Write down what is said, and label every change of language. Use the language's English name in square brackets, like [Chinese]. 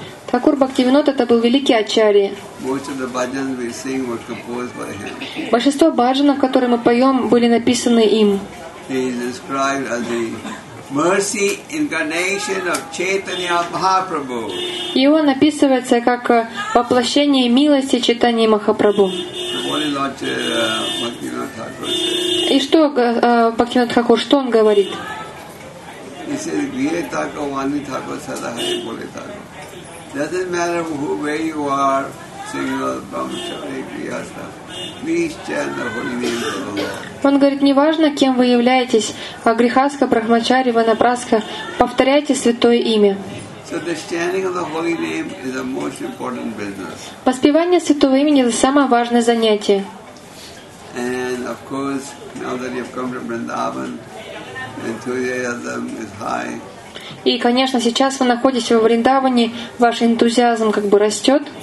[Russian] Такур Бхактивинод это был великий ачарья. [English] Most of the bhajans we sing were composed by him. [Russian] Большинство бхаджанов, которые мы поем, были написаны им. [English] He is described as the mercy incarnation of Chaitanya Mahaprabhu. [Russian] И он описывается как воплощение милости Чайтаньи Махапрабху. И что Бхактивинод Тхакур, что он говорит? [English] Doesn't matter who, where you are, single, brahmachari, grihastha, please chant the holy name of the Lord. [Russian] Он говорит, неважно, кем вы являетесь, а грихаска, брахмачари, ванапраска, повторяйте святое имя. [English] So the chanting of the holy name is the most important business. [Russian] Воспевание святого имени — это самое важное занятие. [English] And of course, now that you've come to Vrindavan, enthusiasm is high. [Russian] И, конечно, сейчас вы находитесь во Вриндаване, ваш энтузиазм как бы растет.